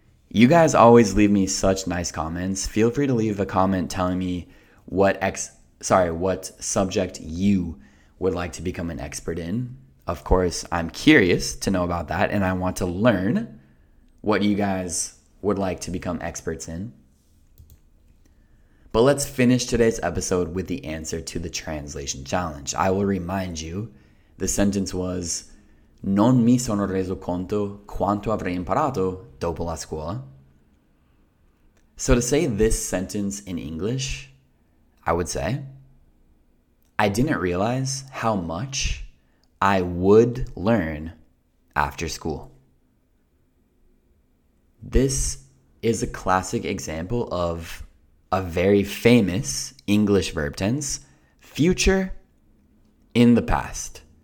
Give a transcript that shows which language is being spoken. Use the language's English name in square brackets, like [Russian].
[English] You guys always leave me such nice comments. Feel free to leave a comment telling me what subject you would like to become an expert in. Of course, I'm curious to know about that, and I want to learn what you guys would like to become experts in. But let's finish today's episode with the answer to the translation challenge. I will remind you, the sentence was, [Italian] non mi sono reso conto quanto avrei imparato dopo la scuola. [English] So to say this sentence in English, I would say, I didn't realize how much I would learn after school. This is a classic example of a very famous English verb tense, future in the past.